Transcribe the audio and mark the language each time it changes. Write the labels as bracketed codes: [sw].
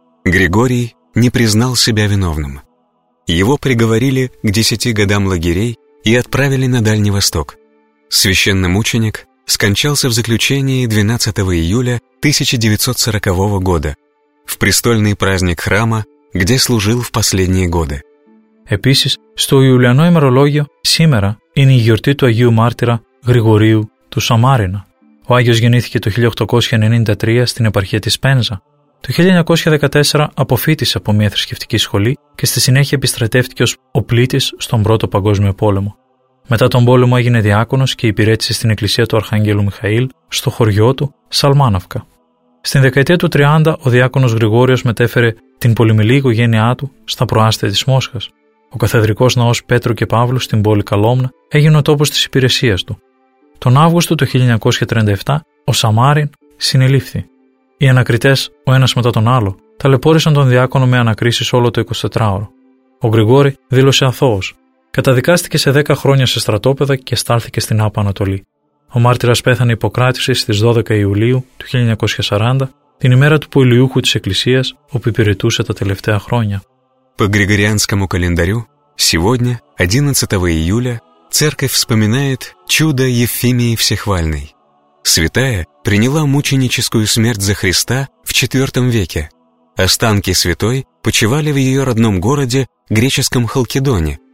[ru] Григорий не признал себя виновным. Его приговорили к 10 годам лагерей и отправили на Дальний Восток. Священномученик скончался в заключении 12 июля 1940 года, в престольный праздник храма, где служил в последние годы. [el] Επίσης, στο Ιουλιανό ημερολόγιο, σήμερα είναι η γιορτή του Αγίου Μάρτυρα Γρηγορίου του Σαμάρινα. Ο Άγιος γεννήθηκε το 1893 στην επαρχία της Πένζα. Το 1914 αποφύτησε από μια θρησκευτική σχολή και στη συνέχεια επιστρατεύτηκε ως οπλίτης στον Πρώτο Παγκόσμιο Πόλεμο. Μετά τον πόλεμο έγινε διάκονος και υπηρέτησε στην εκκλησία του Αρχαγγέλου Μιχαήλ στο χωριό του Σαλμάναυκα. Στην δεκαετία του 30, ο διάκονος Γρηγόριος μετέφερε την πολυμελή οικογένειά του στα προάστια της Μόσχας. Ο καθεδρικός ναός Πέτρου και Παύλου στην πόλη Καλόμνα έγινε ο τόπος της υπηρεσίας του. Τον Αύγουστο του 1937, ο Σαμάριν συνελήφθη. Οι ανακριτές, ο ένας μετά τον άλλο, ταλαιπώρησαν τον διάκονο με ανακρίσεις όλο το 24ωρο. Ο Γρηγόρη δήλωσε αθώος. Καταδικάστηκε σε 10 χρόνια σε στρατόπεδα και στάλθηκε στην Άπα Ανατολή. Ο μάρτυρας πέθανε υποκράτηση στις 12 Ιουλίου του 1940, την ημέρα του Πολιούχου της Εκκλησίας, όπου υπηρετούσε τα τελευταία χρόνια. [ru] По Григорианскому календарю, сегодня, 11 июля, церковь вспоминает чудо Ефимии Всехвальной. Святая приняла мученическую смерть за Христа в IV веке. Останки святой почивали в ее родном городе, греческом Халкидоне.